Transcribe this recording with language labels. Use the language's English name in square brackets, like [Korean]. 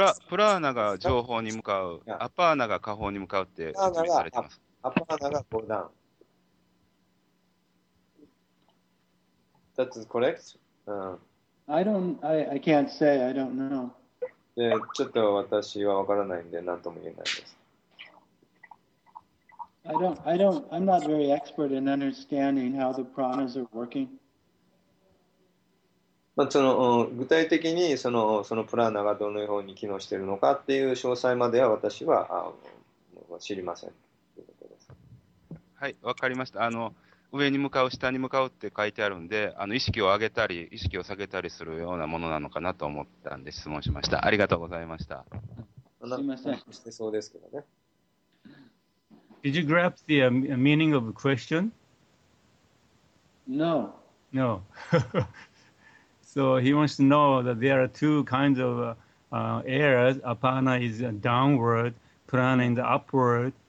[Japanese] プラーナが情報に向かう、アパーナが下方に向かうって説明されてます。アパーナがゴーダウン。 [English] That's correct?、 I don't, I can't say, I don't know. [Japanese] で、ちょっと私は分からないんで、何とも言えないです。 [English] I'm not very expert in understanding how the pranas are working. [Japanese] まあ、その具体的にそのプラーナがどのように機能しているのかっていう詳細までは私は知りませんということです。はい、わかりました。あの上に向かう下に向かうって書いてあるんで、あの意識を上げたり意識を下げたりするようなものなのかなと思ったんで質問しました。ありがとうございました。すみません。してそうですけどね。 [English] Did you grasp the meaning of the question? No. No. So he wants to know that there are two kinds of errors. Apana is downward, prana is upward.